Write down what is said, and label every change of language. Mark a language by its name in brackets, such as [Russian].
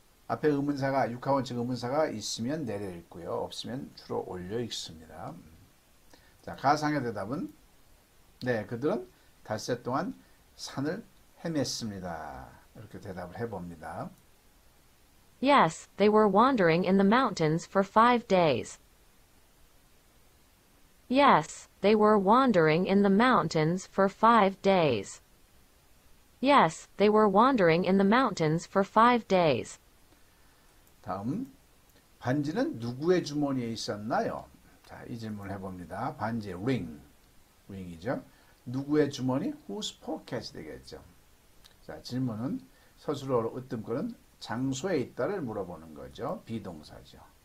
[Korean] 앞에 의문사가 육하 원칙 의문사가 있으면 내려 읽고요. 없으면 주로 올려 읽습니다. 자, 가상의 대답은 네, 그들은 닷새 동안 산을 헤맸습니다. 이렇게 대답을 해봅니다. [English] Yes, they were wandering in the mountains for 5 days. Yes, they were wandering in the mountains for 5 days. Yes, they were wandering in the mountains for 5 days. [Korean] 다음, 반지는 누구의 주머니에 있었나요? 자, 이 질문을 해봅니다. 반지의 ring, ring이죠. 누구의 주머니? [English] Whose pocket [Korean] 되겠죠. 자, 질문은 서술어로 으뜸거는 장소에 있다를 물어보는 거죠. 비동사죠.